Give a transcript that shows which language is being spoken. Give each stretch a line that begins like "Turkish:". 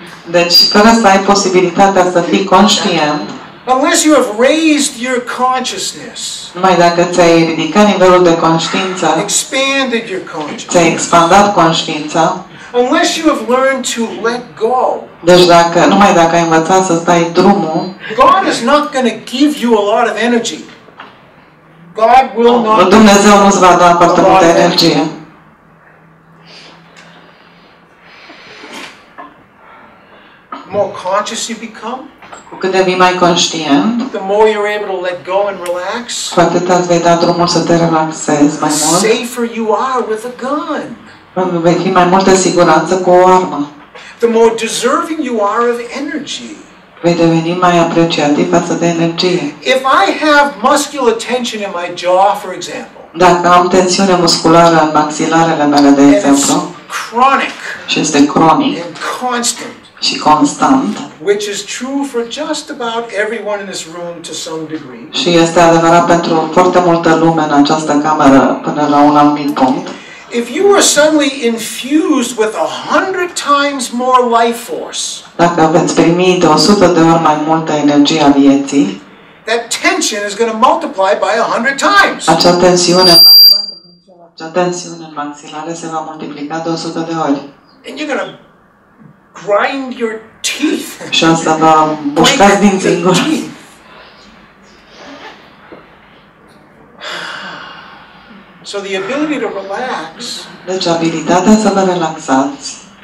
Romanian: deci, fără să ai posibilitatea să fii conștient,
English: unless you have raised your consciousness,
Romanian: numai dacă ți-ai ridicat nivelul de conștiință,
English: expanded your consciousness,
Romanian: ți-ai expandat conștiința,
English: Unless you have learned to let go.
Romanian: Deci dacă, numai dacă ai învățat să stai drumul.
English: God is not going to give you a lot of energy. God will not.
Romanian: Dumnezeu nu îți va da foarte multă energie.
English: More conscious you become.
Romanian: Cu cât devii mai conștient,
English: the more you're able to let go and relax,
Romanian: cu atât îți vei da drumul să te relaxezi mai mult.
English: The safer you are with a gun.
Romanian: Vei fi mai multă siguranță cu o armă.
English: The more deserving you are of energy.
Romanian: Vei deveni mai apreciativ față de energie.
English: If I have muscular tension in my jaw, for example,
Romanian: dacă am tensiune musculară în maxilarele mele, de exemplu,
English: chronic,
Romanian: și este cronic,
English: and constant,
Romanian: și constant,
English: which is true for just about everyone in this room to some degree.
Romanian: Și este adevărat pentru foarte multă lume în această cameră până la un anumit punct.
English: If you were suddenly infused with 100 times more life force.
Romanian: Dacă veți primi de 100 de ori mai multă energie a vieții.
English: That tension is going to multiply by 100 times.
Romanian: Acea tensiune maximală se va multiplica de 100 de ori.
English: And you're going to grind your teeth.
Romanian: Și o să vă mușcați dinții în gură.
English: So the ability to relax.
Romanian: Deci abilitatea să vă relaxați.